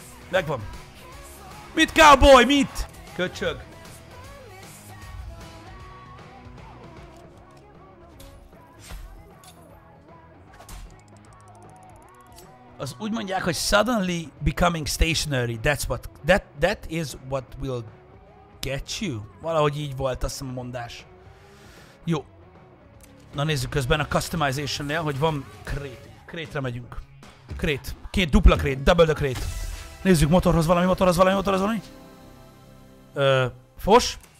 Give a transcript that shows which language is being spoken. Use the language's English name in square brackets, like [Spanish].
[Hungarian] Megvan. Mit, cowboy? Mit? Köcsög. Az úgy mondják, hogy [English] suddenly becoming stationary. That is what will get you. [Hungarian] Valahogy így volt, azt hiszem, a mondás. Jó. Na nézzük közben a customization-nél, hogy van krét. Krétre megyünk. Krét. Két dupla krét. [English] Double the krét. [Hungarian] Nézzük, motorhoz valami. Fos.